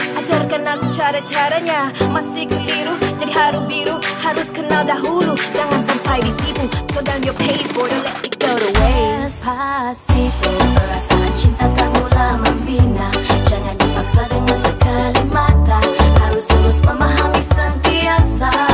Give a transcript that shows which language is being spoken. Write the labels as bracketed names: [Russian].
[Malay] Ajarkan aku cara-caranya, masih keliru jadi haru biru. Harus kenal dahulu, jangan sampai ditipu. [English] Slow down your pace, boy, don't let it go to waste. [Malay] Despacito, perasaan cinta tak mulai membina. Jangan dipaksa dengan sekali mata, harus terus memahami sentiasa.